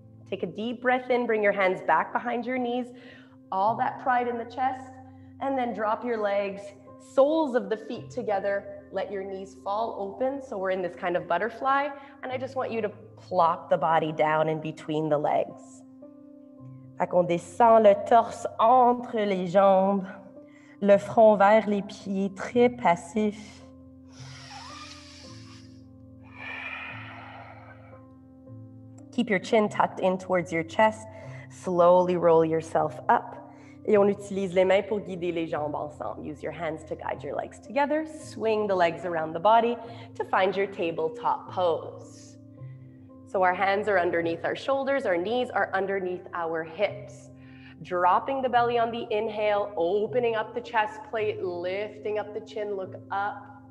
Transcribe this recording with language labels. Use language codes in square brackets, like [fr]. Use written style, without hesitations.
[en] Take a deep breath in, bring your hands back behind your knees, all that pride in the chest, and then drop your legs, soles of the feet together, let your knees fall open. So we're in this kind of butterfly, and I just want you to plop the body down in between the legs. [fr] Fait qu'on descend le torse entre les jambes, le front vers les pieds, très passif. [en] Keep your chin tucked in towards your chest. Slowly roll yourself up. [fr] Et on utilise les mains pour guider les jambes ensemble. [en] Use your hands to guide your legs together. Swing the legs around the body to find your tabletop pose. So our hands are underneath our shoulders. Our knees are underneath our hips. Dropping the belly on the inhale, opening up the chest plate, lifting up the chin, look up.